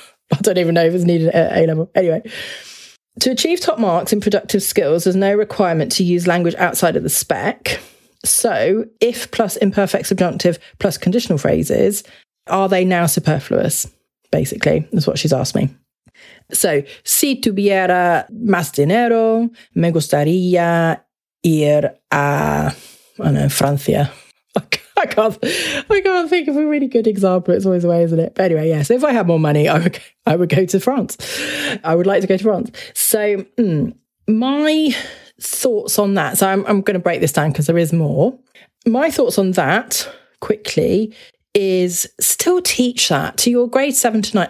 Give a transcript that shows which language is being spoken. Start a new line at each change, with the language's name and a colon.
English: I don't even know if it's needed at A-level. Anyway, to achieve top marks in productive skills, there's no requirement to use language outside of the spec. So if plus imperfect subjunctive plus conditional phrases, are they now superfluous? Basically, is what she's asked me.
Spanish: So, si tuviera más dinero, me gustaría ir a,
English: I don't know,
Spanish: Francia.
English: I can't think of a really good example. It's always the way, isn't it? But anyway, yeah. So if I had more money, I would go to France. I would like to go to France. So my thoughts on that. So I'm going to break this down because there is more. My thoughts on that quickly is still teach that to your grade 7 to 9.